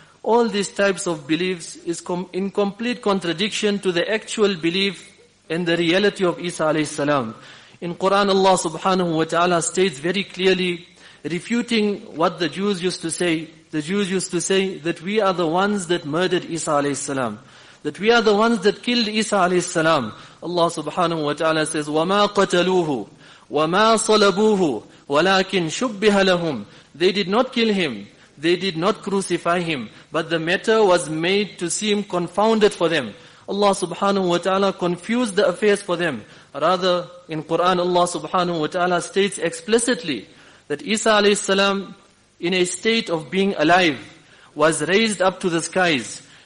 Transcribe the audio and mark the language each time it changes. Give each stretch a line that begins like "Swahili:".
English: All these types of beliefs is in complete contradiction to the actual belief and the reality of Isa alayhi salam. In Quran, Allah subhanahu wa ta'ala states very clearly, refuting what the Jews used to say. The Jews used to say that we are the ones that murdered Isa alayhi salam. That we are the ones that killed Isa alayhi salam. Allah subhanahu wa ta'ala says,
Arabic: وَمَا قَتَلُوهُ وَمَا صَلَبُوهُ وَلَكِنْ شُبِّهَ لَهُمْ.
English: They did not kill him. They did not crucify him. But the matter was made to seem confounded for them. Allah subhanahu wa ta'ala confused the affairs for them. Rather, in Quran, Allah subhanahu wa ta'ala states explicitly that Isa alayhi salam, in a state of being alive, was raised up to the skies.